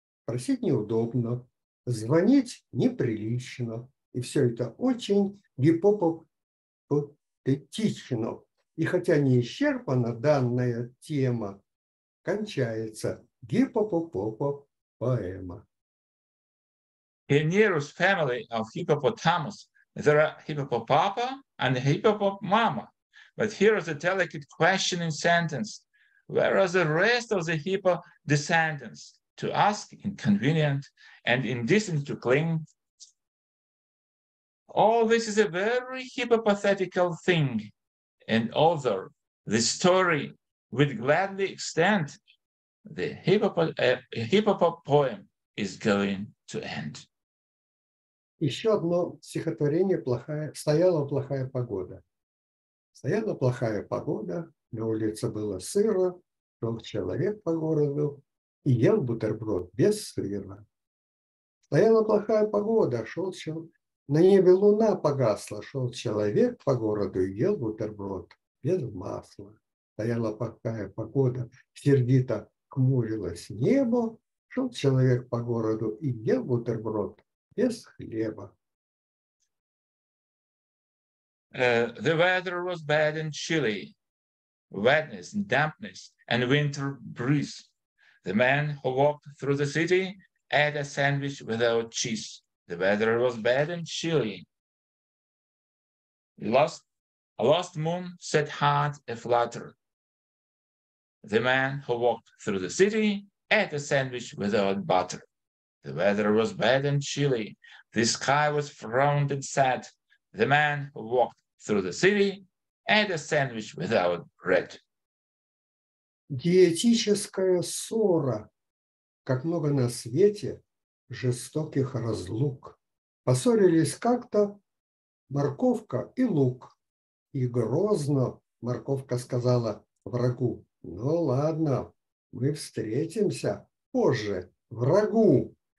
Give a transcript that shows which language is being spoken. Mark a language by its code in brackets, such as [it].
[ru] Просить неудобно, звонить неприлично. И все это очень гиппопопотетично. И хотя не исчерпана данная тема, кончается гиппопопопо-поэма. [en] In Nero's family of hippopotamus, there are hippopopapa and hippopomama. But here is a delicate question in sentence. Where are the rest of the hippo descendants? To ask inconvenient and indecent to cling. All this is a very hypothetical thing, and although the story would gladly extend, the hippopotamus poem is going to end. [ru] Еще одно стихотворение плохая, «Стояла плохая погода». Стояла плохая погода, на улице было сыро, шел человек по городу и ел бутерброд без сыра. Стояла плохая погода, шел человек. На небе луна погасла, шел человек по городу и ел бутерброд без масла. Стояла плохая погода, сердито хмурилось небо, шел человек по городу и ел бутерброд без хлеба. [en] The weather was bad and chilly, wetness and dampness and winter breeze. The man who walked through the city ate a sandwich without cheese. The weather was bad and chilly. A lost moon set heart aflutter. The man who walked through the city ate a sandwich without butter. The weather was bad and chilly. The sky was frowned and sad. The man who walked through the city ate a sandwich without bread. [ru] Диетическая ссора. Как много на свете жестоких разлук. Поссорились как-то морковка и лук. И грозно морковка сказала врагу: «Ну ладно, мы встретимся позже, врагу».